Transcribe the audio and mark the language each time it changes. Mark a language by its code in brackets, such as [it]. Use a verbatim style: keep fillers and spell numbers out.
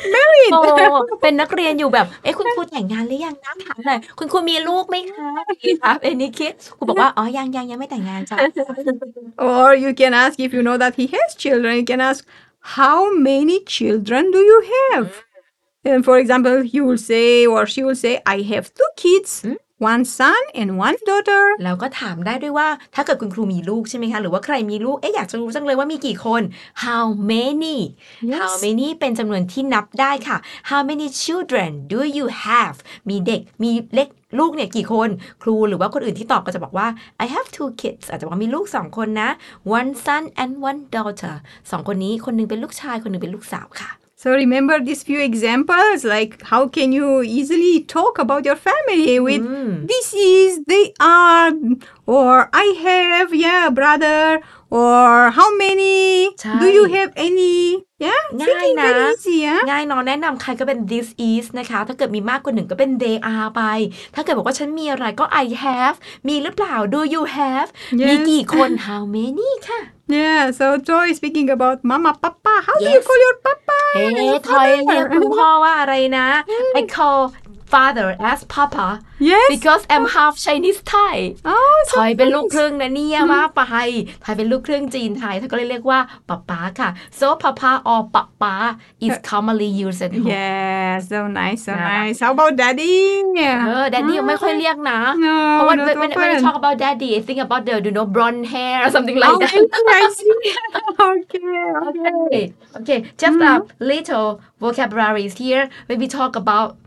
[en] โอ้ married." [th] เป็นนักเรียนอยู่แบบ เอ๊ะ คุณครูแต่งงานหรือยังนะถามหน่อยคุณ คุณครูมีลูกไหมคะครับเอ็นิคิดครูบอกว่าอ๋อยังยังยังไม่แต่งงานจ้ะ [en] Or you can ask if you know that he has children. You can ask how many children do you have? And for example, he will say or she will say, I have two kids. One son and one daughter [th] เราก็ถามได้ด้วยว่าถ้าเกิดคุณครูมีลูกใช่ไหมคะหรือว่าใครมีลูกเอ๊ะอยากจะรู้จังเลยว่ามีกี่คน [en] How many yes. [th] How many เป็นจำนวนที่นับได้ค่ะ [en] How many children do you have [th] มีเด็กมีเล็กลูกเนี่ยกี่คนครูหรือว่าคนอื่นที่ตอบก็จะบอกว่า [en] I have two kids [th] อาจจะบอกว่ามีลูกสองคนนะ [en] One son and one daughter [th] สองคนนี้คนนึงเป็นลูกชายคนนึงเป็นลูกสาวค่ะ [en] So remember these few examples, like how can you easily talk about your family with mm. this is, they are, or I have, yeah, brother, or how many, do you have any, yeah, [th] ง่ายนะ [en] easy, yeah? [th] ง่ายน้องแนะนำใครก็เป็น this is นะคะถ้าเกิดมีมากกว่าหนึ่งก็เป็น they are ไปถ้าเกิดบอกว่าฉันมีอะไรก็ I have มีหรือเปล่า [en] do you have yes. [th] มีกี่คน how many ค่ะ [en] Yeah, so Toy speaking about Mama, Papa. How yes. do you call your Papa? [th] Hey, Toy, เรียกคุณพ่อว่าอะไรนะ [en] I call father as Papa. Yes. Because I'm half Chinese Thai. Oh, so [th] ทอยเป็นลูกครึ่งนะเนี่ยว่าไปทอยเป็นลูกครึ่งจีนไทยเธอก็เลยเรียกว่าป๊าป๊าค่ะ [en] So Papa or Papa is commonly used at home. Yes, so nice, so nice. How about Daddy? เออ Daddy [th] ยังไม่ค่อยเรียกนะเพราะว่า [en] when when we talk about Daddy, I think about the you know blonde hair or something like that. I see. Okay, okay, okay. Just a little vocabularies here when we talk about.